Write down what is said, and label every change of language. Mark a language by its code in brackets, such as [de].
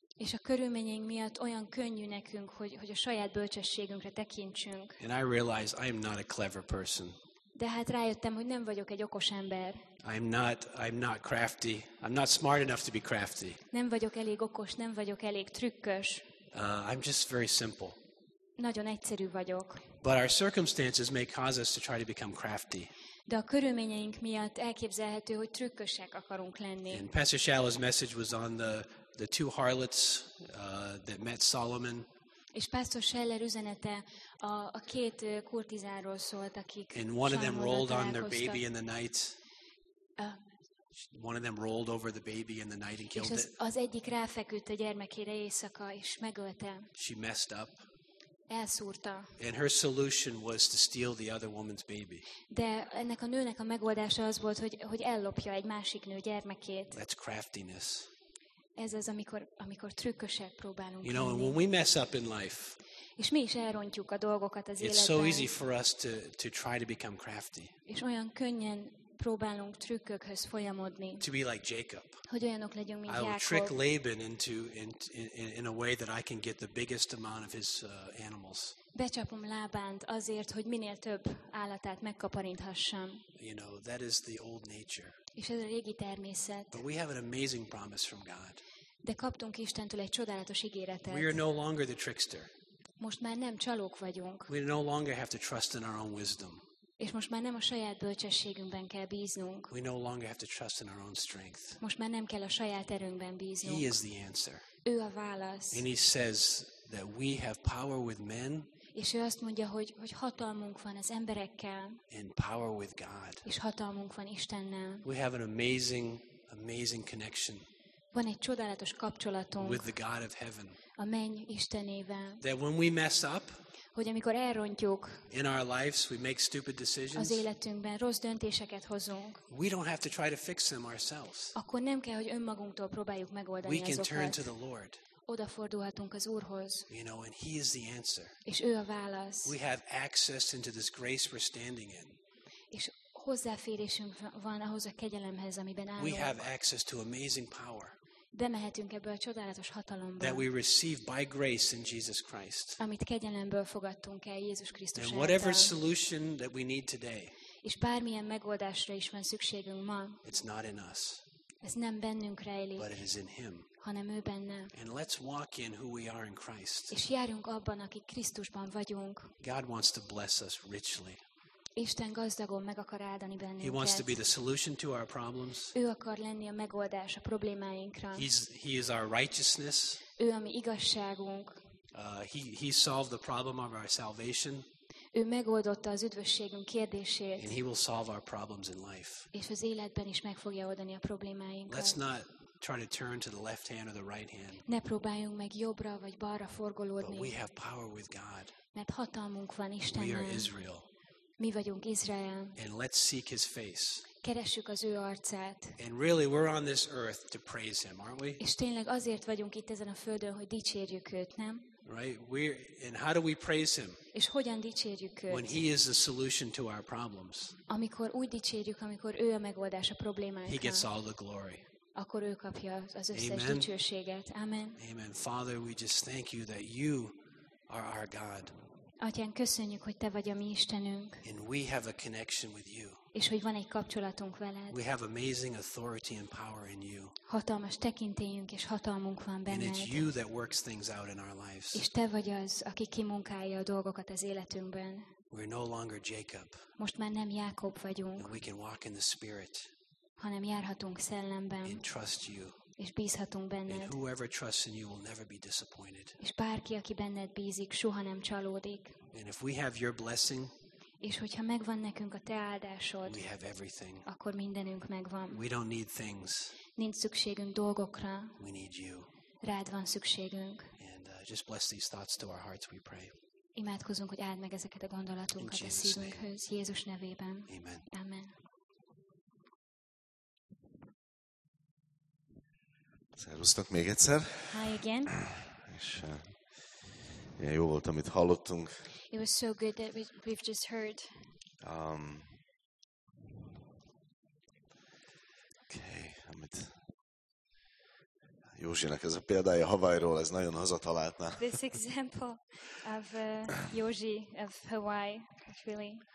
[hu] És a körülményeink miatt olyan könnyű nekünk, hogy a saját bölcsességünkre tekintsünk. [en] And I realize I am not a clever person. [hu] De hát rájöttem, hogy nem vagyok egy okos ember. [en] I'm not crafty. I'm not smart enough to be crafty. [hu] Nem vagyok elég okos, nem vagyok elég trükkös. [en] I'm just very simple. [hu] Nagyon egyszerű vagyok. [en] But our circumstances may cause us to try to become crafty. [hu] De a körülményeink miatt elképzelhető, hogy trükkösek akarunk lenni. [en] And Pastor Shallow's message was on the two harlots that met Solomon. [hu] És Pásztor Scheller üzenete a két kurtizáról szólt, akik. [en] And one of them rolled on their baby in the night. One of them rolled over the baby in the night and killed it. [hu] Az egyik ráfeküdt a gyermekére éjszaka és megölte. [en] She messed up. [hu] Elszúrta. [en] And her solution was to steal the other woman's baby. [hu] De ennek a nőnek a megoldása az volt, hogy ellopja egy másik nő gyermekét. [en] That's craftiness. [hu] Ez az, amikor trükkösek próbálunk. [en] You know, when we mess up in life. [hu] És mi is elrontjuk a dolgokat az életben. [en] It's so easy for us to try to become crafty. [hu] És olyan könnyen próbálunk trükkökhöz folyamodni. [en] To be like Jacob. [hu] Hogy olyanok legyünk, mint Jákob. [en] I will trick Laban in a way that I can get the biggest amount of his animals. [hu] Becsapom Lábánt azért, hogy minél több állatát megkaparinthassam. [en] You know, that is the old nature. [hu] És ez a régi természet. [en] But we have an amazing promise from God. [hu] De kaptunk Istentől egy csodálatos ígéretet. [en] We are no longer the trickster. [hu] Most már nem csalók vagyunk. [en] We no longer have to trust in our own wisdom. [hu] És most már nem a saját bölcsességünkben kell bíznunk. [en] We no longer have to trust in our own strength. [hu] Most már nem kell a saját erőnkben bíznunk. [en] He is the answer. [hu] Ő a válasz. [en] And he says that we have power with men. [hu] És ő azt mondja, hogy hatalmunk van az emberekkel. [en] And power with God. [hu] És hatalmunk van Istennel. [en] We have an amazing, amazing connection. [hu] Van egy csodálatos kapcsolatunk. [en] With the God of heaven. [hu] A menny Istenével. [en] That when we mess up. [hu] Hogy amikor elrontjuk. [en] In our lives we make stupid decisions. [hu] Az életünkben rossz döntéseket hozunk. [en] We don't have to try to fix them ourselves. [hu] Akkor nem kell, hogy önmagunktól próbáljuk megoldani [en] we [hu] azokat. [en] We can turn to the Lord. [hu] Odafordulhatunk az Úrhoz. [en] You know, and he is the answer. [hu] És ő a válasz. [en] We have access into this grace we're standing in. [hu] És hozzáférésünk van ahhoz a kegyelemhez, amiben állunk. [en] We have access to amazing power. [hu] Bemehetünk ebbe a csodálatos hatalomba. [en] That we receive by grace in Jesus Christ. [hu] Amit kegyelemből fogadtunk el Jézus Krisztus által. [en] And whatever solution that we need today. [hu] És bármilyen megoldásra is van szükségünk ma. [en] It's not in us. [hu] Ez nem bennünk rejlik. [en] But it is in him. [hu] Hanem ő benne. [en] And let's walk in who we are in Christ. [hu] És járjunk abban, akik Krisztusban vagyunk. [en] God wants to bless us richly. [hu] Isten gazdagon meg akar áldani bennünket. [en] He wants to be the solution to our problems. [hu] Ő akar lenni a megoldás a problémáinkra. [en] He is our righteousness. [hu] Ő a mi igazságunk. [en] He solved the problem of our salvation. [hu] Ő megoldotta az üdvösségünk kérdését. [en] And he will solve our problems in life. [hu] És az életben is meg fogja oldani a problémáinkat. [en] Let's not try to turn to the left hand or the right hand. [hu] Ne próbáljunk meg jobbra vagy balra forgolódni. [en] But we have power with God. [hu] Mert hatalmunk van Istennel. [en] We are Israel. [hu] Mi vagyunk Izrael. [en] And let's seek his face. [hu] Keressük az ő arcát. [en] And really we're on this earth to praise him, aren't we? [hu] És tényleg azért vagyunk itt ezen a földön, hogy dicsérjük őt, nem? [en] Right? And how do we praise him? [hu] És hogyan dicsérjük őt? [en] When he is the solution to our problems. [hu] Amikor úgy dicsérjük, amikor ő a megoldás a problémáinkra. [en] He gets all the glory. [hu] Akkor ő kapja az összes dicsőséget. [en] Amen. [hu] Amen. [en] Father, we just thank you that you are our God. [hu] Atyán, köszönjük, hogy te vagy a mi Istenünk. [en] And we have a connection with you. [hu] És hogy van egy kapcsolatunk veled. [en] We have amazing authority and power in you. [hu] Hatalmas tekintélyünk és hatalmunk van benned. [en] And it's you that works things out in our lives. [hu] És te vagy az, aki kimunkálja a dolgokat az életünkben. [en] We're no longer Jacob. [hu] Most már nem Jákob vagyunk. [en] And we can walk in the Spirit. [hu] Hanem járhatunk szellemben. [en] And trust you. [hu] És bízhatunk benned. [en] And whoever trusts in you will never be disappointed. [hu] És bárki, aki benned bízik, soha nem csalódik. [en] And if we have your blessing, [hu] és hogyha megvan nekünk a te áldásod, [en] we have everything. [hu] Akkor mindenünk megvan. [en] We don't need things. [hu] Nincs szükségünk dolgokra. [en] We need you. [hu] Rád van szükségünk. [en] And just bless these thoughts to our hearts, we pray. [hu] Imádkozunk, hogy áld meg ezeket a gondolatunkat a szívünkhöz, Jézus nevében. [en] Amen. [hu] Amen. Szervusztok még egyszer. [en] Hi again. [hu] És ilyen jó volt, amit hallottunk. [en] It was so good that we've just heard. [hu] Okay, amit Józsinek ez a példája Hawaii-ról, ez nagyon hazatalálta. [en] This example of Józsi of Hawaii, it's really.